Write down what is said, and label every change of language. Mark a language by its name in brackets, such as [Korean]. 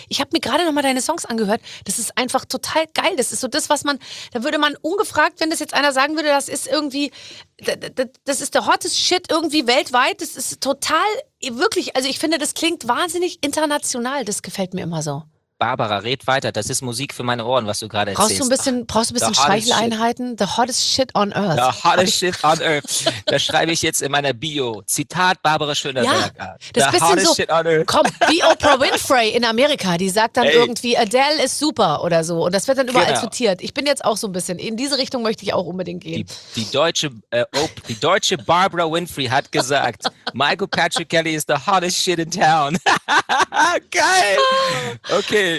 [German] Ich habe mir gerade nochmal deine Songs angehört, das ist einfach total geil, das ist so das, was man, da würde man ungefragt, wenn das jetzt einer sagen würde, das ist irgendwie, das ist der hottest Shit irgendwie weltweit, das ist total, wirklich, also ich finde, das klingt wahnsinnig international, das gefällt mir immer so. Barbara, red weiter, das ist Musik für meine Ohren, was du gerade erzählst. Brauchst du ein bisschen Streicheleinheiten? [English] The hottest shit on earth. The hottest shit on earth. [German] Das schreibe ich jetzt in meiner Bio. Zitat Barbara Schöneberger. Ja, das ist ein bisschen so, komm, wie Oprah Winfrey in Amerika, die sagt dann irgendwie, Adele ist super oder so. Und das wird dann überall zitiert. Ich bin jetzt auch so ein bisschen, in diese Richtung möchte ich auch unbedingt gehen. Die deutsche Barbara Winfrey hat gesagt, Michael Patrick Kelly [English] is the hottest shit in town. [German] Geil. Okay.